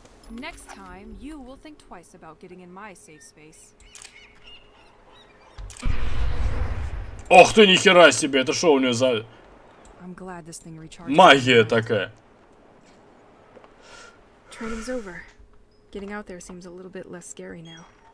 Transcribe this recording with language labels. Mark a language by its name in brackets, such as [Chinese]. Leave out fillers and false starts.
[English] Next time you will think twice about getting in my safe space. [Russian] Ох ты, нихера себе, это что у нее за магия такая? [English] Training's over. Getting out there seems a little bit less scary now.